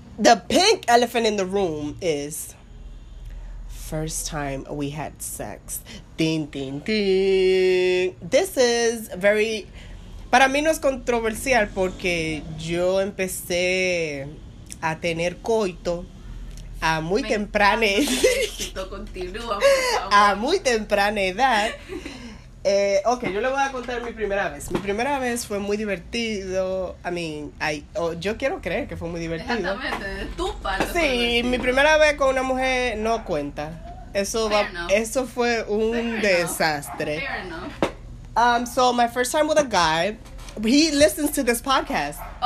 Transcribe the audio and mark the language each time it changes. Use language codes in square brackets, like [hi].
[en] The pink elephant in the room is first time we had sex. Ding, ding, ding. This is very... [es] Para mí no es controversial porque yo empecé a tener coito a muy temprana edad. A muy temprana edad. Ok, yo le voy a contar mi primera vez. Mi primera vez fue muy divertido. Yo quiero creer que fue muy divertido. Exactamente, tu parte. Sí, mi primera vez con una mujer no cuenta. Eso fue un desastre. [en] Fair enough. So my first time with a guy, he listens to this podcast.